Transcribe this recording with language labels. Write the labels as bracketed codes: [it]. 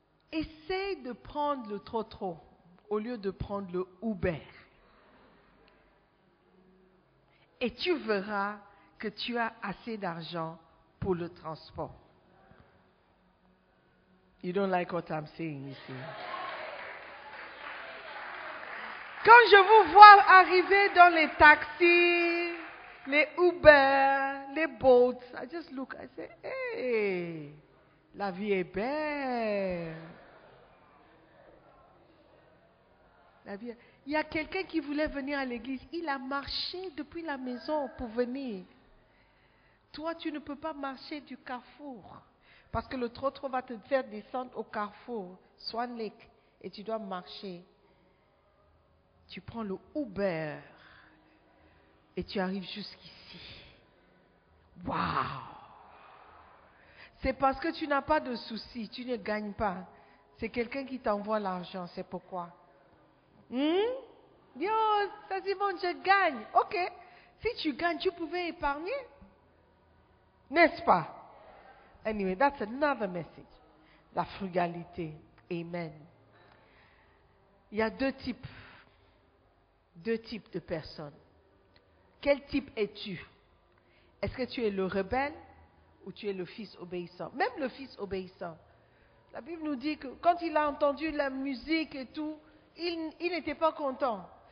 [fr] Essaye de prendre le trotro au lieu de prendre le Uber. Et tu verras que tu as assez d'argent pour le transport. [en] You don't like what I'm saying ici. [fr] Quand je vous vois arriver dans les taxis, les Uber, les Bolts, [en] I just look, I say, hey, [fr] la vie est belle. La vie est... Il y a quelqu'un qui voulait venir à l'église. Il a marché depuis la maison pour venir. Toi, tu ne peux pas marcher du carrefour. Parce que le trottoir va te faire descendre au carrefour, Swan Lake, et tu dois marcher. Tu prends le Uber et tu arrives jusqu'ici. Waouh! C'est parce que tu n'as pas de soucis, tu ne gagnes pas. C'est quelqu'un qui t'envoie l'argent, c'est pourquoi. Yo, ça c'est bon, je gagne. Ok, si tu gagnes, tu pouvais épargner. N'est-ce pas? [en] Anyway, that's another message. [fr] La frugalité. Amen. Il y a deux types de personnes. Quel type es-tu? Est-ce que tu es le rebelle ou tu es le fils obéissant? Même le fils obéissant. La Bible nous dit que quand il a entendu la musique et tout, il n'était pas content.